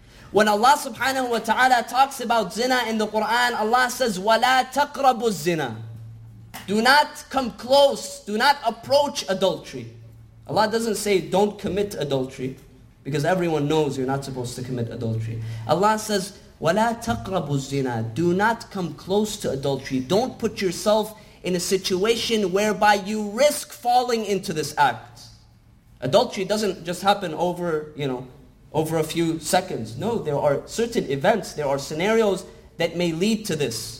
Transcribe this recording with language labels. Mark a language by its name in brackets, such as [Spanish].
[English] When Allah subhanahu wa ta'ala talks about zina in the Quran, Allah says, [Arabic] وَلَا تَقْرَبُوا الزِّنَا. [English] Do not come close, do not approach adultery. Allah doesn't say, don't commit adultery, because everyone knows you're not supposed to commit adultery. Allah says, [Arabic] وَلَا تَقْرَبُوا الزِّنَا. [English] Do not come close to adultery. Don't put yourself in a situation whereby you risk falling into this act. Adultery doesn't just happen over a few seconds. No, there are certain events, there are scenarios that may lead to this.